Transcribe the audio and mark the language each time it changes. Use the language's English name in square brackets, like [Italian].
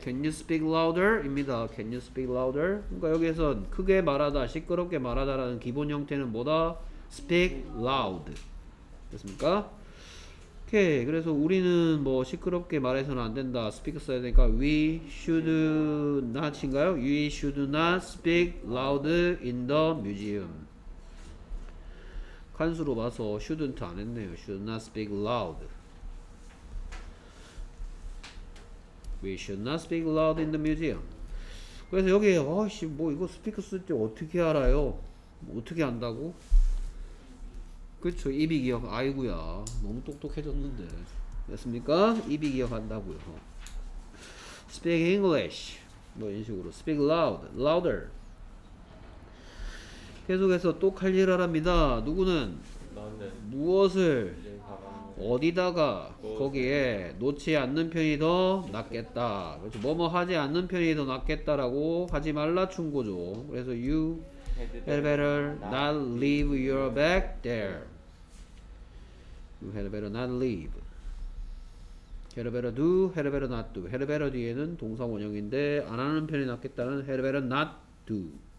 [English] Can you speak louder? [Korean] 입니다. [English] Can you speak louder? [Korean] 그러니까 여기에선 크게 말하다, 시끄럽게 말하다라는 기본 형태는 뭐다? [English] Speak loud. [Korean] 됐습니까? 오케이. 그래서 우리는 뭐 시끄럽게 말해서는 안 된다. [English] Speak [Korean] 써야 되니까 [English] We should not인가요? We should not speak loud in the museum. [Korean] 간수로 봐서 [English] shouldn't [Korean] 안 했네요. [English] Should not speak loud. We should not speak loud in the museum. [Korean] 그래서 여기 아씨 뭐 이거 스피커 쓸 때 어떻게 알아요? 뭐 어떻게 안다고? 그쵸 입이 기억 아이구야 너무 똑똑해졌는데 됐습니까? 입이 기억한다고요. [English] Speak English [Korean] 뭐 이런 식으로 speak loud, louder. 계속해서 또 칼리라랍니다. 누구는 무엇을 어디다가 거기에 놓지 않는 편이 더 낫겠다. 그렇죠. 뭐뭐 하지 않는 편이 더 낫겠다라고 하지 말라 충고죠. [English] 그래서 you had better not leave your bag there. You had better not leave. Had better do, had better not do. [Korean] Had better 뒤에는 동사원형인데 안 하는 편이 낫겠다는 [English] had better not do.